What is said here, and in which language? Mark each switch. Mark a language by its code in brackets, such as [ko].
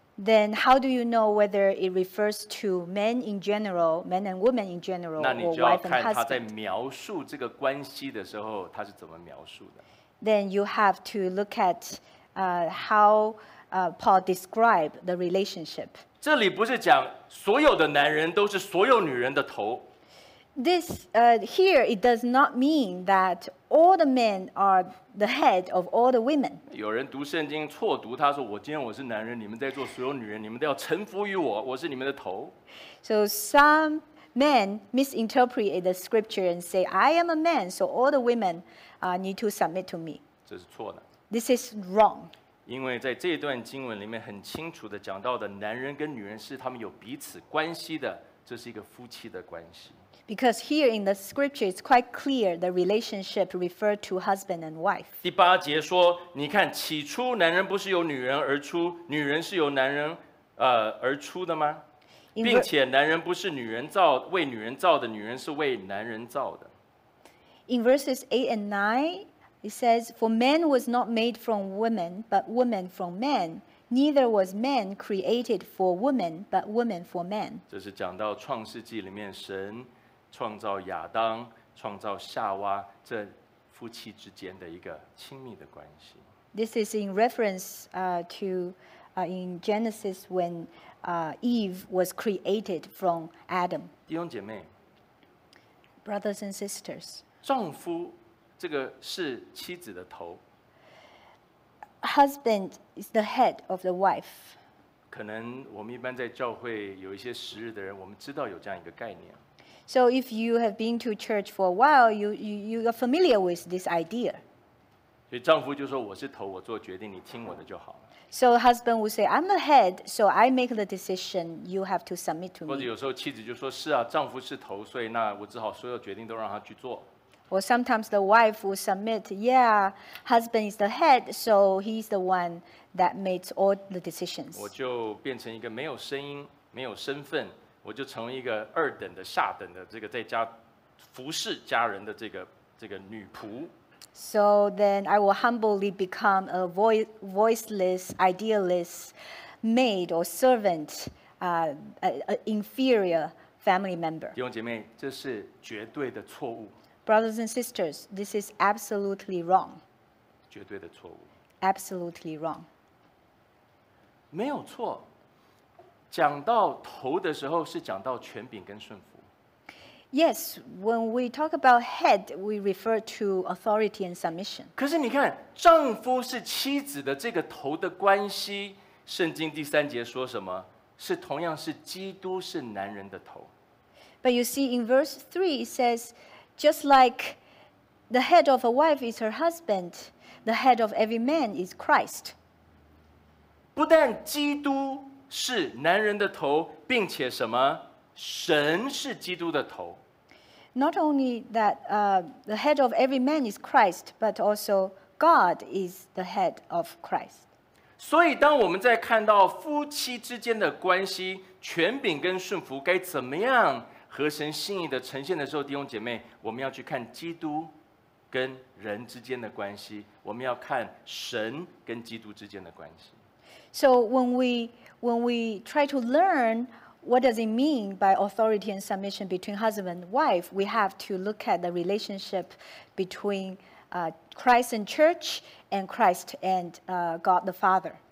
[en] Then how do you know whether it refers to men in general, men and women in general, or wife and husband? [zh] 那你就要看他在描述这个关系的时候，他是怎么描述的。 [en] Then you have to look at how Paul described the relationship. [zh] 这里不是讲所有的男人都是所有女人的头。 [en] This here, it does not mean that all the men are the head of all the women. [zh] 有人读圣经错读，他说：“我今天我是男人，你们在做所有女人，你们都要臣服于我，我是你们的头。” [en] So some men misinterpret the scripture and say, "I am a man, so all the women need to submit to me." [zh] 这是错的。 [en] This is wrong. [zh] 因为在这段经文里面很清楚的讲到的，男人跟女人是他们有彼此关系的，这是一个夫妻的关系。 [en] Because here in the scripture, it's quite clear the relationship referred to husband and wife. [zh] 第八节说，你看，起初男人不是由女人而出，女人是由男人而出的吗？并且男人不是女人造，为女人造的，女人是为男人造的。 [en] In verses 8 and 9, it says, For man was not made from woman, but woman from man. Neither was man created for woman, but woman for man. [zh] 这是讲到创世纪里面神创造亚当、创造夏娃这夫妻之间的一个亲密的关系。 [en] This is in reference in Genesis when Eve was created from Adam. [zh] 弟兄姐妹 [en] Brothers and sisters. [zh] 丈夫这个是妻子的头 [en] Husband is the head of the wife [zh] 可能我们一般在教会有一些时日的人我们知道有这样一个概念 [en] So if you have been to church for a while you are familiar with this idea [zh] 所以丈夫就说我是头我做决定你听我的就好了 [en] So husband will say I'm the head so I make the decision you have to submit to me [zh] 或者有时候妻子就说是啊丈夫是头所以那我只好所有决定都让他去做 [en] Or sometimes the wife will submit, yeah, husband is the head, so he's the one that makes all the decisions. [zh] 我就变成一个没有声音、没有身份，我就成为一个二等的、下等的这个在家服侍家人的这个女仆。 [en] So then I will humbly become a voiceless, idealless maid or servant, an inferior family member. [zh] 弟兄姐妹，这是绝对的错误。 [en] Brothers and sisters, this is absolutely wrong. [zh] 绝对的错误。 [en] Absolutely wrong. [zh] 没有错。讲到头的时候是讲到权柄跟顺服。 [en] Yes, when we talk about head, we refer to authority and submission. [zh] 可是你看，丈夫是妻子的这个头的关系，圣经第三节说什么？是同样是基督是男人的头。 [en] But you see, in verse 3, it says,Just like the head of a wife is her husband, the head of every man is Christ. [zh] 不但基督是男人的头，并且什么？神是基督的头。 [en] Not only that, the head of every man is Christ, but also God is the head of Christ. [zh] 所以，当我们在看到夫妻之间的关系，权柄跟顺服该怎么样？和神心意的呈现的时候，弟兄姐妹，我们要去看基督跟人之间的关系，我们要看神跟基督之间的关系。 [en] So when we try to learn what does it mean by authority and submission between husband and wife, we have to look at the relationship between Christ and church and Christ and God the Father.